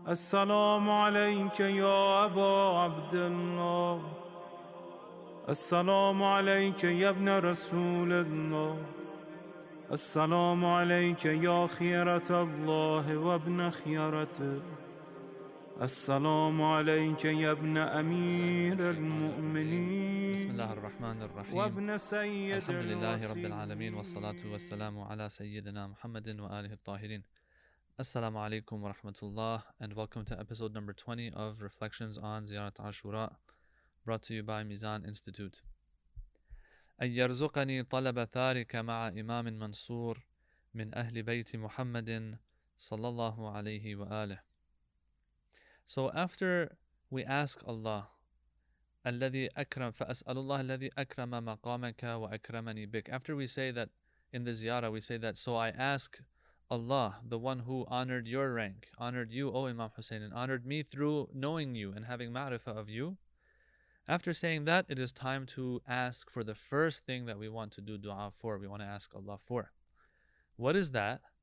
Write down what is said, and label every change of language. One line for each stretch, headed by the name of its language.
Arabic: السلام عليك يا أبا عبد الله، السلام عليك يا ابن رسول الله، السلام عليك يا خيرة الله وابن خيرته، السلام عليك يا ابن أمير المؤمنين. بسم الله الرحمن الرحيم. وابن سيد الحمد لله رب العالمين، والصلاة والسلام على سيدنا محمد وآله الطاهرين.
English: Assalamu alaikum wa rahmatullah, and welcome to episode number 20 of Reflections on Ziyarat Ashura, brought to you by Mizan Institute.
Arabic: أن يرزقني طلب ثارك مع إمام منصور من أهل بيت محمد صلى الله عليه وآله.
English: So after we ask Allah,
Arabic: الذي أكرم فأسأل الله الذي أكرم مقامك وأكرمني بك.
English: After we say that in the ziyarah, we say that, so I ask Allah, the one who honored your rank, honored you, O Imam Hussein, and honored me through knowing you and having ma'rifah of you. After saying that, it is time to ask for the first thing that we want to do dua for, we want to ask Allah for. What is that?